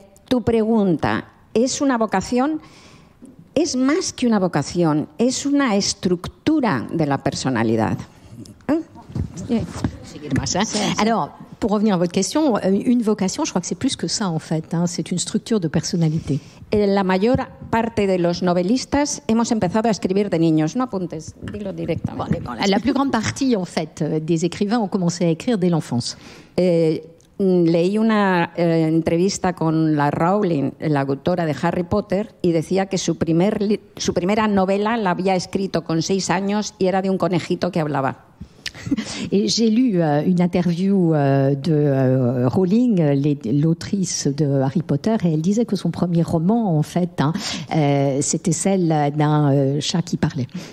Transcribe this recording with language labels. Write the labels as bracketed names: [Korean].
[Spanish] Tu pregunta, ¿es una vocación? Es más que una vocación, es una estructura de la personalidad. [French] Alors, pour revenir à votre question, une vocation, je crois que c'est plus que ça en fait, hein, c'est une structure de personnalité. [Spanish] La mayor parte de los novelistas hemos empezado a escribir de niños, no apuntes, dilo directamente. [French] Bon, la plus grande partie en fait des écrivains ont commencé à écrire dès l'enfance. [Spanish] Leí una entrevista con la Rowling, la autora de Harry Potter, y decía que su primera novela la había escrito con 6 años y era de un conejito que hablaba. [French] Et j'ai lu une interview de Rowling, l'autrice de Harry Potter, et elle disait que son premier roman, en fait, hein, c'était celle d'un chat qui parlait.